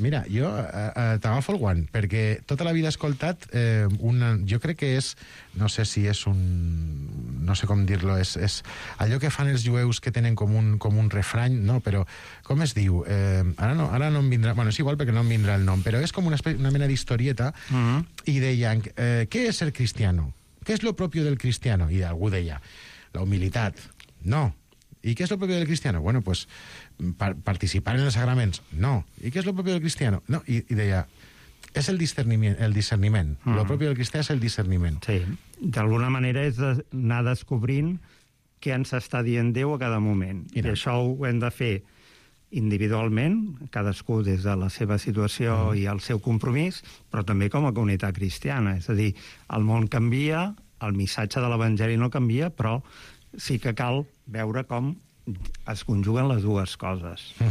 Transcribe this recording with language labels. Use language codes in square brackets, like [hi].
[ca] Mira, jo t'agafo el guant, perquè tota la vida he escoltat jo crec que és, no sé si és un... no sé com dir-lo, és allò que fan els jueus que tenen com un refrany, no, però com es diu? Ara no em vindrà... Bueno, és igual perquè no em vindrà el nom, però és com una mena d'historieta i deien, què és ser cristiano? [es] ¿Qué es lo propio del cristiano? Y [ca] algú deia, la humilitat. [es] No. ¿Y qué es lo propio del cristiano? Bueno, pues participar en los sacramentos. No. ¿Y qué es lo propio del cristiano? No. Y deia, es el discernimiento. El discernimiento. Mm. Lo propio del cristiano es el discernimiento. Sí. De alguna manera es [ca] anar descobrint què ens està dient Déu a cada moment. I això ho hem de fer individualment, cadascú des de la seva situació i el seu compromís, però també com a comunitat cristiana. És a dir, el món canvia, el missatge de l'Evangeli no canvia, però sí que cal veure com es conjuguen les dues coses.